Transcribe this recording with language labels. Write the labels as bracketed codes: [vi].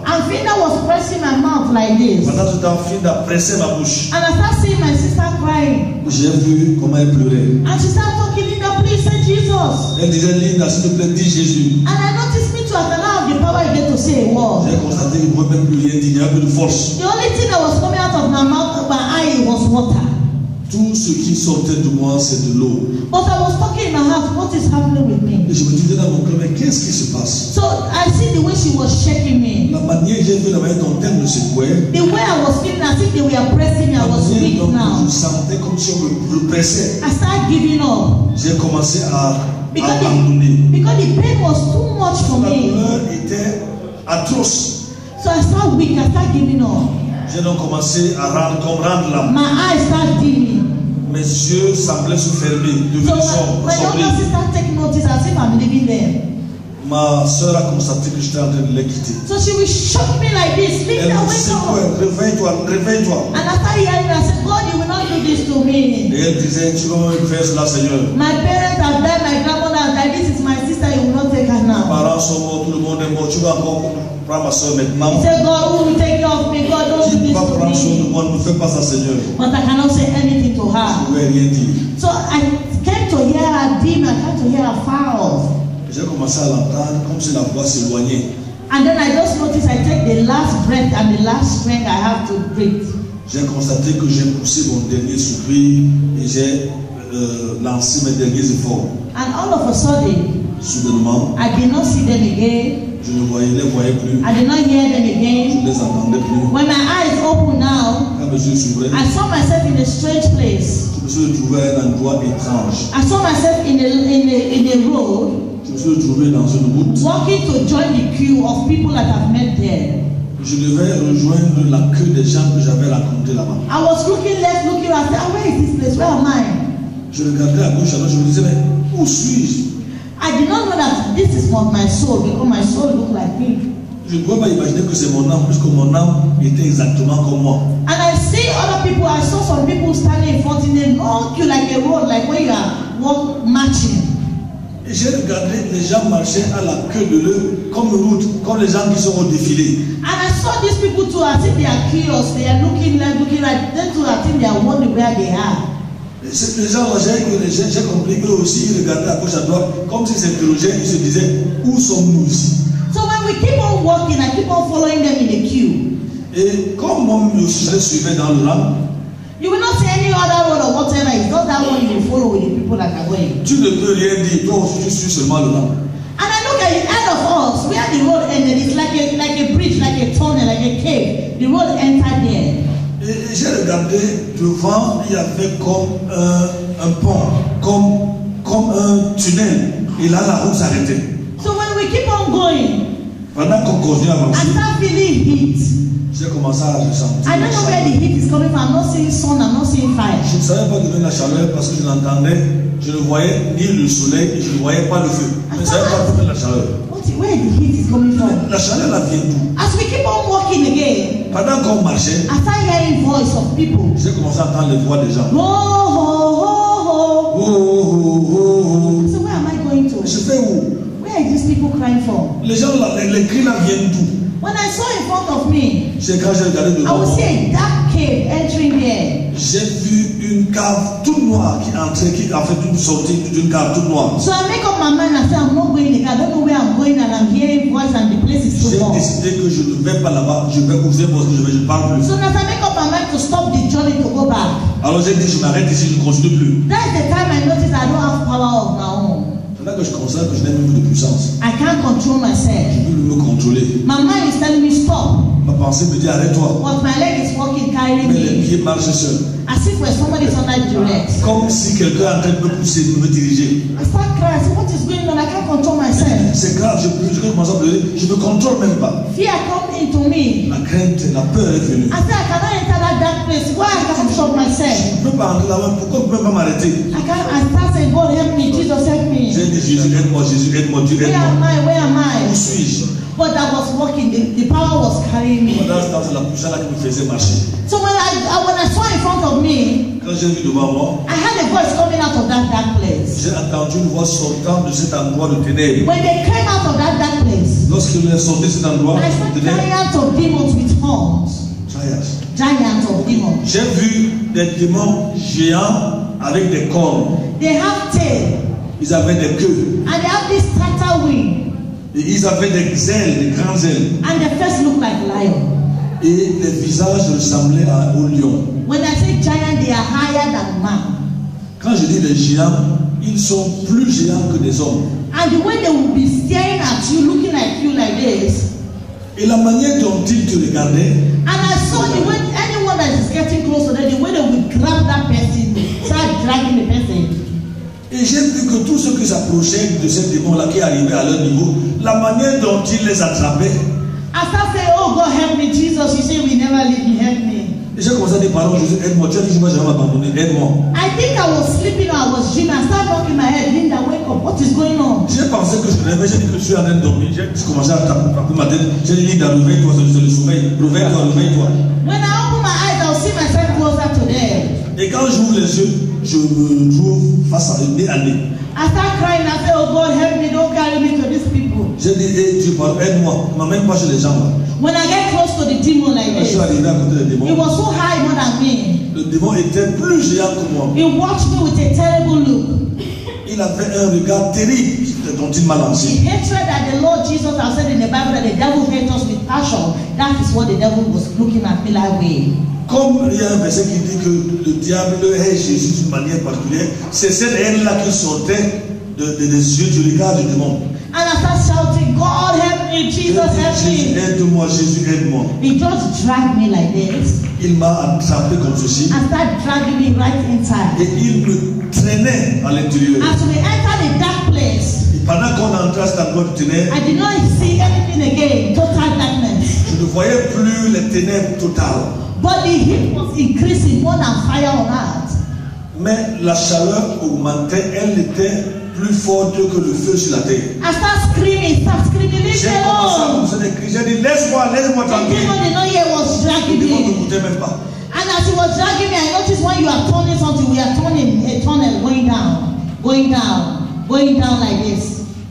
[en] And Finda was pressing my mouth like this. [fr] Pendant tout temps, Finda pressait ma bouche. [en] And I started seeing my sister crying. [fr] J'ai vu comment elle pleurait. [en] And she started talking, Linda, please say Jesus. [fr] Elle disait, Linda, s'il te plaît, dis Jésus. [en] And I noticed me too, after now, the power I get to say a word. [fr] J'ai constaté qu'il ne pouvait même plus rien dire, il n'y avait plus de force. [en] The only thing that was coming out of my mouth, my eye, was water. [fr] Tout ce qui sortait de moi, c'est de l'eau. [en] But I was talking in my heart, what is happening with me? [fr] Et je me disais dans mon cœur, mais qu'est-ce qui se passe? [en] So I see the way she was shaking me. [fr] La manière j'ai vu la manière dont elle me secouait. [en] The way I was feeling, as if they were pressing me, I was weak now. [fr] Je sentais comme si on me pressait. [en] I started giving up. [fr] J'ai commencé à abandonner. [en] Because the pain was too much for me. [fr] La douleur était atroce. [en] So I started weak. I started giving up. [fr] J'ai donc commencé à rendre comme rendre là. [en] My eyes started dimming. [fr] Mes yeux semblaient se fermer, devenir sombres. [en] My younger sister took notice as if I'm leaving them. [fr] Ma soeur a constaté que j'étais en train de les quitter. [en] So she will shock me like this. Leave me, wake up. [fr] Réveille-toi. [en] And after hearing that, I said, God, you will not do this to me. [fr] Et elle disait, tu vas me faire cela, Seigneur. [en] My parents have died, my grandmother has died. This is my sister, you will not take her now. [fr] Mes parents sont morts, tout le monde est maintenant. Tu vas encore prendre ma soeur maintenant. [en] Say, God, who will take care of me? God, don't [fr] tu ne vas pas prendre soin de moi, ne fais pas ça, Seigneur. [en] But I cannot say anything to her. [fr] Je ne pouvais rien dire. [en] So I came to hear her dim, I came to hear her far off. [fr] J'ai commencé à l'entendre comme si la voix s'éloignait. [en] And then I just noticed I take the last breath and the last strength I have to breathe. [fr] J'ai constaté que j'ai poussé mon dernier soupir et j'ai lancé mes derniers efforts. [en] And all of a sudden, [fr] soudainement, [en] I did not see them again. [fr] Je ne voyais, les voyais plus. [en] I did not hear them again. [fr] Je ne les entendais plus. [en] When my eyes opened now, [fr] quand mes yeux s'ouvraient, [en] I saw myself in a strange place. [fr] Je me suis trouvé à un endroit étrange. [en] I saw myself in a road. [fr] Je me suis trouvé dans une route. [en] Walking to join the queue of people that I've met there. [fr] Je devais rejoindre la queue des gens que j'avais rencontrés là-bas. [en] I was looking left, looking right. I said, where is this place? Where am I? [fr] Je regardais à gauche, alors je me disais, mais où suis-je? [en] I did not know that this is not my soul, because my soul looked like me. [fr] Je ne pouvais pas imaginer que c'est mon âme, puisque mon âme était exactement comme moi. [en] And I see other people. I saw some people standing in front in a long queue, like a road, like where you are walking, marching. [fr] Et j'ai regardé les gens marcher à la queue de l'eau comme une route, comme les gens qui sont au défilé. [en] And I saw these people too, as if they are curious, they are looking left, looking right, then too, I think they are wondering where they are. [fr] Et les gens, j'ai compris qu'eux aussi, ils regardaient à gauche à droite, comme s'ils s'interrogeaient, ils se disaient, où sommes-nous ici? [en] So when we keep on walking, I keep on following them in the queue. [fr] Et comme moi aussi, je les suivais dans le rang. [en] You will not see any other road or whatever. It's not that one you follow with the people that are going. [fr] Tu ne peux rien dire. Toi aussi, tu suis seulement le nom. [en] And I look at the end of us. Where the road ended, it's like a bridge, like a tunnel, like a cave. The road entered there. [fr] Et j'ai regardé devant. Il y avait comme un pont, comme un tunnel. Et là, la route s'arrêtait. [en] So when we keep on going, [fr] pendant qu'on continue à avancer, [en] I start feeling heat. [fr] J'ai commencé à ressentir. [en] I don't know where the heat is coming from. I'm not seeing sun. I'm not seeing fire. [fr] Je ne savais pas d'où venait la chaleur parce que je n'entendais, je ne voyais ni le soleil et je ne voyais pas le feu. Je ne savais pas d'où venait la chaleur. [en] Where the heat is coming from? [fr] La chaleur la vient d'où? [en] As we keep on walking again, [fr] pendant qu'on marchait, [en] I start hearing voice of people. [fr] J'ai commencé à entendre les voix des gens. Oh, oh, oh, oh. Oh, oh, oh, oh. [en] So where am I going to? [fr] Je fais où? [en] Where are these people crying from? [fr] Les gens, les cris là viennent d'où? [en] When I saw in front of me, [fr] c'est quand j'ai regardé devant moi, [en] I would see a dark cave entering here. [fr] J'ai vu une cave toute noire qui entrait, qui a fait une sortie d'une cave toute noire. [en] So I make up my mind and say, I'm not going there. I don't know where I'm going and I'm hearing voice and the place is too dark. [fr] J'ai décidé que je ne vais pas là-bas. Je vais ouvrir parce que je parle plus. [en] So now I make up my mind to stop the journey to go back. [fr] Alors j'ai dit, je m'arrête ici, je ne continue plus. [en] That's the time I noticed I don't have power of my own. [fr] Là que je constate que je n'ai plus de puissance. [en] I can't control myself. [fr] Je peux me contrôler. [en] My mind is telling me stop. [fr] Ma pensée me dit arrête-toi. [en] But my leg is walking carrying me. [fr] Mes pieds marchent seuls. [en] As if somebody is under duress. [fr] Comme si quelqu'un est en train de me pousser, de me diriger. [en] I start crying. What is going on? I can't control myself. [fr] C'est grave. Je commence à pleurer. Je me contrôle même pas. [en] Fear comes into me. [fr] La crainte, la peur est venue. [en] I say I cannot enter that dark place. Why I can't control myself? [fr] Je ne peux pas entrer là-bas. Pourquoi je ne peux pas m'arrêter? [en] I can't. I start saying God help me. Jesus help me. [fr] J'ai dit Jésus aide-moi. Jésus aide-moi. Dieu aide-moi. [en] Where am I? [fr] Où suis-je? [en] But that was working. The power was carrying me. [fr] Pendant ce temps, c'est la puissance qui me faisait marcher. [en] So when I saw in front of me, [fr] quand j'ai vu devant moi, [en] I heard a voice coming out of that dark place. [fr] J'ai entendu une voix sortant de cet endroit de ténèbres. [en] When they came out of that dark place, [fr] lorsqu'ils sont sortis de cet endroit, [en] I saw giants of demons with horns. Giants. Giants of demons. [fr] J'ai vu des démons géants avec des cornes. [en] They have tail. [fr] Ils avaient des queues. [en] And they have this tartar wing. [fr] Et ils avaient des ailes, des grandes ailes. [en] And their face looked like lion. [fr] Et les visages ressemblaient au lion. [en] When I say giant, they are higher than man. [fr] Quand je dis les géants, ils sont plus géants que des hommes. [en] And the way they would be staring at you, looking at you like this. [fr] Et la manière dont ils te regardaient. [en] And I saw the way anyone that is getting close to them, the way they would grab that person, start dragging the person. [fr] Et j'ai vu que tous ceux qui s'approchaient de ces démons-là qui arrivaient à leur niveau, la manière dont ils les attrapaient. [en] After saying, oh God, help me, Jesus, you say, we never leave me, help me. [fr] Et j'ai commencé à dire, pardon, Jésus, aide-moi, tu as dit, je ne vais jamais m'abandonner, aide-moi. [en] I think I was sleeping or I was dreaming, I started walking my head, Linda, wake up, what is going on? [fr] J'ai pensé que je rêvais, j'ai dit que je suis en train de dormir, j'ai commencé à taper ma tête, j'ai dit, Linda, réveille-toi, c'est le sommeil, réveille-toi. [en] When I open my eyes, I'll see myself closer to there. [fr] Et quand j'ouvre les yeux, je me trouve face à une année. [en] I start crying, I say, oh God, help me, don't carry me to these people. people. [fr] J'ai dit, hey, Dieu, aide-moi. Il m'a même pas chez les gens là. [en] When I get close to the demon like this, [fr] je suis arrivé à côté du démon. [en] He was so high more than me. [fr] Le démon était plus géant que moi. [en] He watched me with a terrible look. [fr] Il avait un regard terrible dont il m'a lancé. [en] The hatred that the Lord Jesus has said in the Bible that the devil hates us with passion. That is what the devil was looking at me like way. [fr] Comme il y a un verset qui dit que le diable hait Jésus d'une manière particulière, c'est cette haine-là qui sortait des yeux du regard du démon. [en] And I start shouting, God help me, Jesus help me. [fr] Jésus aide-moi, Jésus aide-moi. [en] He just dragged me like this. [fr] Il m'a attrapé comme ceci. [en] And start dragging me right inside. [fr] Et il me traînait à l'intérieur. [en] As we enter the dark place. [fr] Et pendant qu'on entrait dans le ténèbre, [en] I did not see anything again, total darkness. [fr] Je ne voyais plus les ténèbres totales. [en] But the heat was increasing more than fire on earth. [fr] Mais la chaleur augmentait, elle était plus forte que le feu sur la terre. [en] I start screaming, [fr] J'ai dit, laisse-moi tranquille. [en] And as he was dragging me, I noticed when you are turning something, we are turning a tunnel, going down like this.